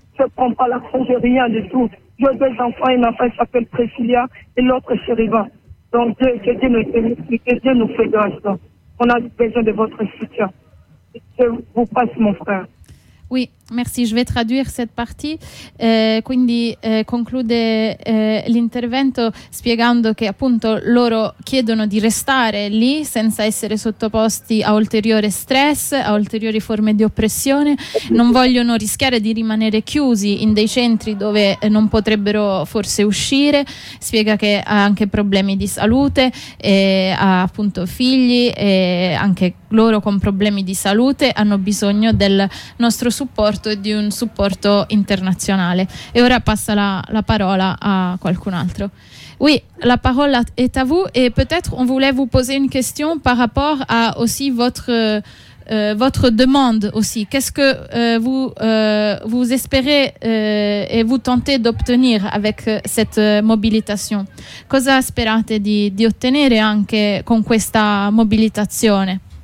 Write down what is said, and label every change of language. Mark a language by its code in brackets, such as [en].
[fr] Je ne prends pas l'argent, je n'ai rien du tout. J'ai deux enfants, une enfant s'appelle Priscilla et l'autre Chériva. Donc, que Dieu nous fait grâce. On a besoin de votre soutien. Je vous passe, mon frère. Oui, merci. Je vais traduire cette partie. [it] Quindi conclude l'intervento spiegando che appunto loro chiedono di restare lì senza essere sottoposti a ulteriore stress, a ulteriori forme di oppressione. Non vogliono rischiare di rimanere chiusi in dei centri dove non potrebbero forse uscire. Spiega che ha anche problemi di salute, ha appunto figli e anche loro con problemi di salute hanno bisogno del nostro supporto e di un supporto internazionale. E ora passa la parola a qualcun altro. [fr] Oui, la parole est à vous et peut-être on voulait vous poser une question par rapport à aussi votre demande aussi. Qu'est-ce que vous espérez et vous tentez d'obtenir avec cette mobilitation? [it] Cosa sperate di ottenere anche con questa mobilitazione?